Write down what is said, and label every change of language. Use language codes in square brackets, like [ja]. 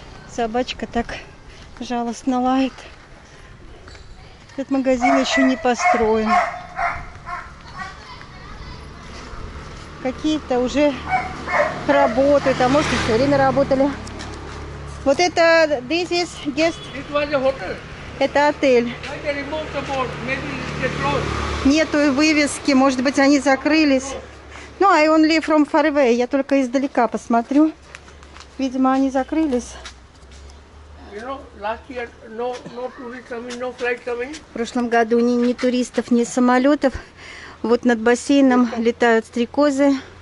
[ru] Собачка так жалостно лает. Этот магазин еще не построен. Какие-то уже работают, а может, все время работали. Вот это, [en] this is guest. It was a hotel. [ru] Это отель. [en] Like a remote support. Maybe it's closed. [ru] Нету вывески, может быть, они закрылись. [en] Ну, no, I only from far away. [ru] Я только издалека посмотрю. Видимо, они закрылись. [en] You know, last year, no tourists coming, no flight coming. [ru] В прошлом году ни туристов, ни самолетов. Вот над бассейном летают стрекозы.